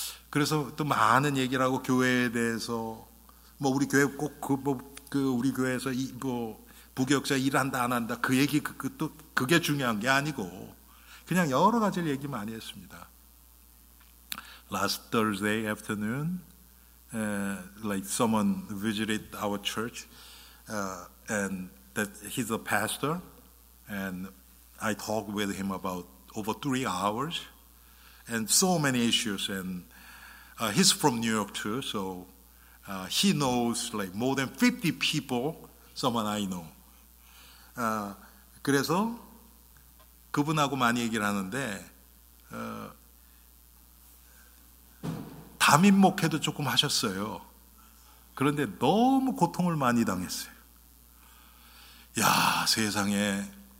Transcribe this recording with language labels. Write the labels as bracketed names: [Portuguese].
[Korean] 그래서 또 많은 얘기를 하고 교회에 대해서 뭐 우리 교회 꼭 그 뭐 그 우리 교회에서 이 뭐 부교역사 일한다 안 한다 그 얘기 그 또 그게 중요한 게 아니고 그냥 여러 가지를 얘기 많이 했습니다. [English] Last Thursday afternoon, like someone visited our church, and that he's a pastor, and I talked with him about over 3 hours, and so many issues, and he's from New York too, so he knows like more than 50 people, someone I know. [Korean] 그래서 그분하고 많이 얘기를 하는데 담임 목회도 조금 하셨어요. 그런데 너무 고통을 많이 당했어요. 야, 세상에.